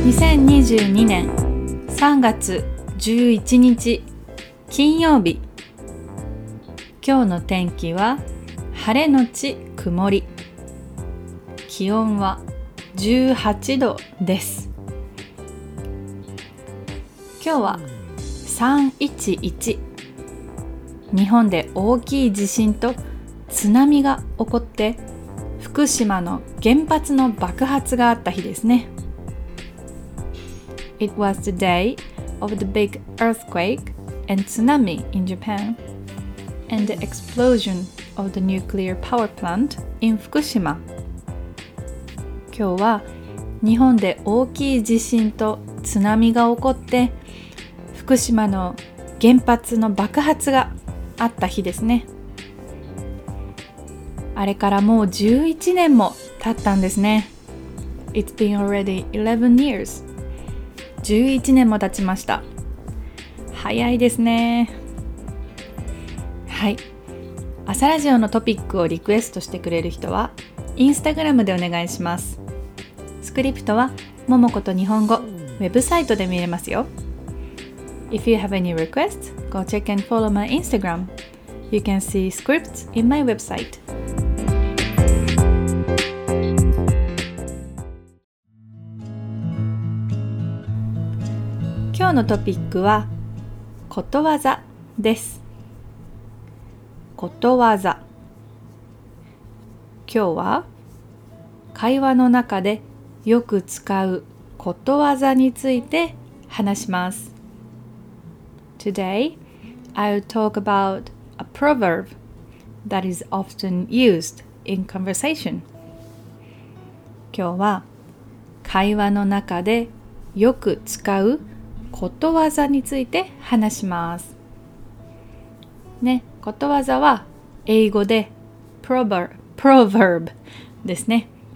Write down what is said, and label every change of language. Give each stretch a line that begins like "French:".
Japanese: 2022年3月11日金曜日、今日の天気は晴れのち曇り、気温は18度です。今日は311、日本で大きい地震と津波が起こって福島の原発の爆発があった日ですね。
English: It was the day of the big earthquake and tsunami in Japan and the explosion of the nuclear power plant in Fukushima.
Japanese: 今日は日本で大きい地震と津波が起こって福島の原発の爆発があった日ですね。あれからもう11年も経ったんですね。
English: It's been already 11 years.
Japanese: 11年も経ちました。早いですね。はい、朝ラジオのトピックをリクエストしてくれる人はインスタグラムでお願いします。スクリプトはももこと日本語ウェブサイトで見れますよ。
English: If you have any requests, go check and follow my Instagram. You can see scripts in my website.
Japanese: のトピックはことわざです。ことわざ、今日は会話の中でよく使うことわざについて話します。
English: Today I'll talk about a proverb that is often used in conversation.
Japanese: 今日は会話の中でよく使うことわざについて話します。ね、ことわざは英語で proverb ですね。